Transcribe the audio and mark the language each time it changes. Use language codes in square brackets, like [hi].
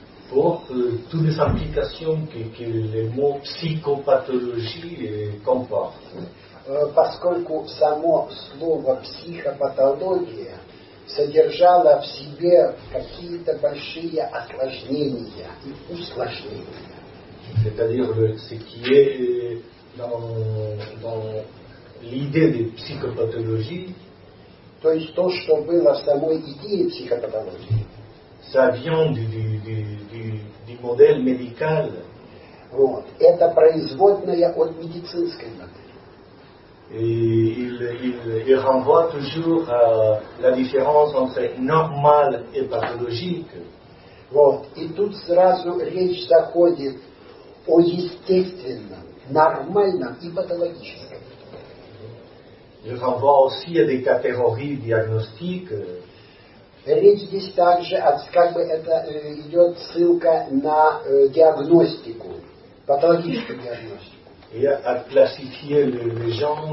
[fr] Pour toutes les implications que le mot psychopathologie comporte. [ru] Поскольку само слово психопатология содержало в себе какие-то большие осложнения и усложнения. [fr] C'est-à-dire ce qui est dans l'idée de psychopathologie. [ru] То есть то, что было в самой идее психопатологии. [fr] Ça vient du modèle médical. [ru] Вот. Это производная от медицинской модели. [fr] Il renvoie toujours à la différence entre normal et pathologique. [ru] Вот. И тут сразу речь заходит о естественном, нормальном и патологическом. [fr] Il renvoie aussi à des catégories diagnostiques. [ru] Речь здесь также, как бы это идет ссылка на диагностику, патологическую диагностику. И о классификации людей.